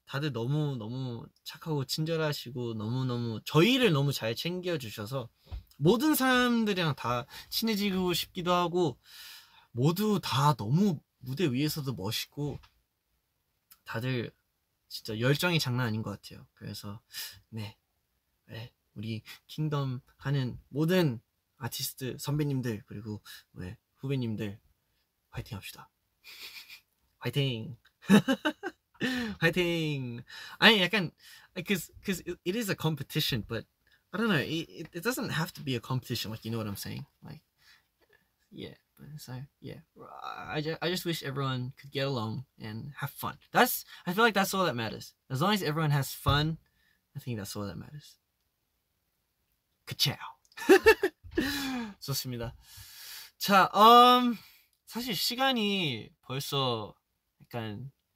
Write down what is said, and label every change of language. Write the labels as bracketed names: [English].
[Korean] 다들 너무 너무 착하고 친절하시고 너무 너무 저희를 너무 잘 챙겨주셔서 모든 사람들이랑 다 친해지고 싶기도 하고 모두 다 너무 무대 위에서도 멋있고 다들 진짜 열정이 장난 아닌 것 같아요. 그래서 네, 우리 킹덤 하는 모든 아티스트 선배님들 그리고 왜 후배님들 화이팅 합시다. 화이팅. 화이팅. 아니 약간 [English] cause it is a competition, but I don't know, it doesn't have to be a competition, like, you know what I'm saying, like, yeah. But so yeah, I just wish everyone could get along and have fun. That's, I feel like that's all that matters. As long as everyone has fun, I think that's all that matters. [Korean] Ka-chow. 좋습니다. 자, 사실 시간이 벌써 약간